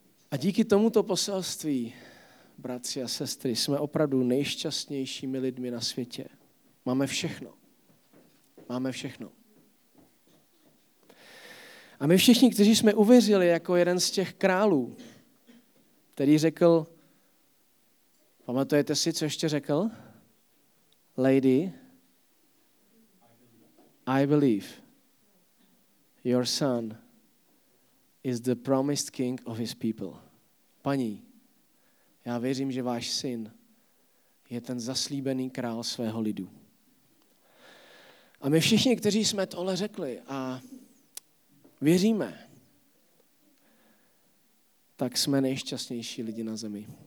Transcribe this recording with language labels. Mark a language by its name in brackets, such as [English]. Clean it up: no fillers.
[Czech] A díky tomuto poselství, bratři a sestry, jsme opravdu nejšťastnějšími lidmi na světě. Máme všechno. Máme všechno. A my všichni, kteří jsme uvěřili jako jeden z těch králů, který řekl, pamatujete si, co ještě řekl? [English] Lady, I believe your son is the promised king of his people. [Czech] Paní, já věřím, že váš syn je ten zaslíbený král svého lidu. A my všichni, kteří jsme tohle řekli a věříme, tak jsme nejšťastnější lidi na zemi.